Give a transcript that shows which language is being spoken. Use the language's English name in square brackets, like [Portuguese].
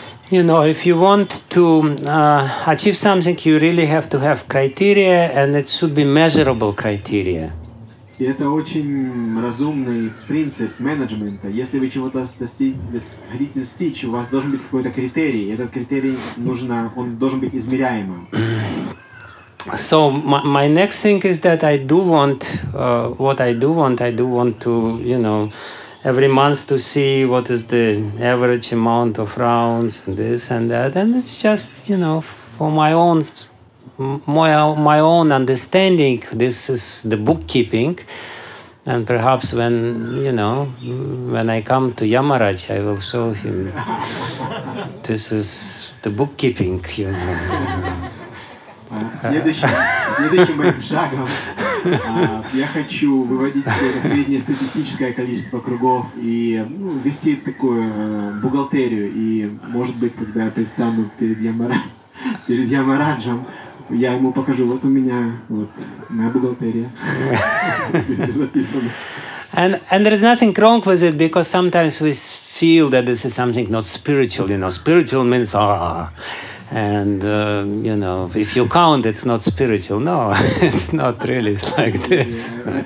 [English] You know, if you want to achieve something, you really have to have criteria, and it should be measurable criteria. [Russian] И это очень разумный принцип менеджмента. Если вы чего-то хотите достичь, у вас должен быть какой-то критерий. Этот критерий он должен быть измеряемым. [English] So my next thing is that I do want to, you know, every month to see what is the average amount of rounds and this and that, and it's just, you know, for my own understanding, this is the bookkeeping, and perhaps when I come to Yamaraj, I will show him this is the bookkeeping, you know. [Russian] Следующим моим шагом я хочу выводить среднестатистическое количество кругов и вести такую бухгалтерию. И, может быть, когда я предстану перед Ямараджем, я ему покажу, вот у меня, вот, моя бухгалтерия. Здесь записано. [English] And there is nothing wrong with it, because sometimes we feel that this is something not spiritual, you know. Spiritual means, And, you know, if you count, it's not spiritual. No, it's not really, it's like this.